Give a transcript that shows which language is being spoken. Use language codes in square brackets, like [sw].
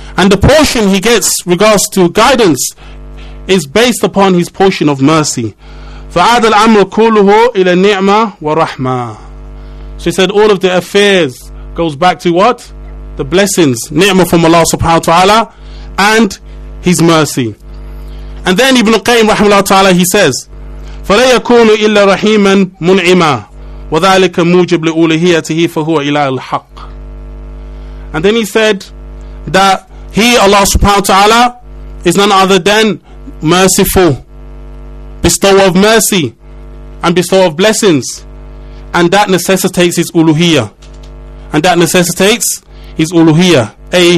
[en] And the portion he gets regards to guidance is based upon his portion of mercy. [ar] فَعَادَ الْعَمْرُ كُلُهُ إِلَى النِّعْمَةِ وَالرَّحْمَةِ. [en] So he said all of the affairs goes back to what? The blessings, ni'mah from Allah subhanahu wa ta'ala, and his mercy. And then Ibn Qayyim rahimahullah ta'ala, he says, [ar] فَلَا يَكُونُ إِلَّا رَحِيمًا مُنْعِمًا وَذَلِكَ مُوجِبْ لِأُولِهِيَتِهِ فَهُوَ إِلَى الْحَقِّ. [en] And then he said that he, Allah subhanahu wa ta'ala, is none other than merciful, bestower of mercy and bestower of blessings, and that necessitates his uluhiyah, and that necessitates his uluhiyah, i.e.